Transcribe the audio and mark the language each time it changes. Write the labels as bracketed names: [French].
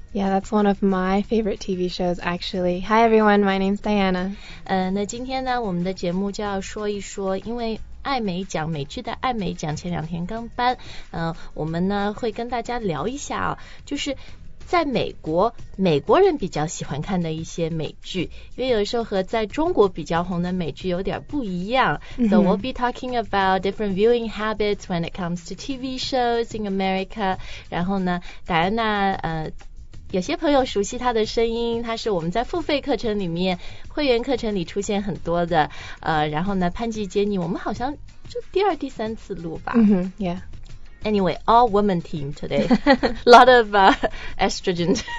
[English] Yeah, that's one of my favorite TV shows actually. Hi everyone, my name's Diana. [Chinese] 那今天呢，我们的节目就要说一说，因为艾美奖，美剧的艾美奖前两天刚颁，我们呢会跟大家聊一下哦，就是在美国，美国人比较喜欢看的一些美剧，因为有时候和在中国比较红的美剧有点不一样。 [English] So we'll be talking about different viewing habits when it comes to TV shows in America. [Chinese] 然后呢，戴安娜，有些朋友熟悉她的声音，她是我们在付费课程里面、会员课程里出现很多的。然后呢，潘吉杰尼，我们好像就第二、第三次录吧。嗯哼 ，Yeah. [English] Anyway, all women team today. A lot of estrogen.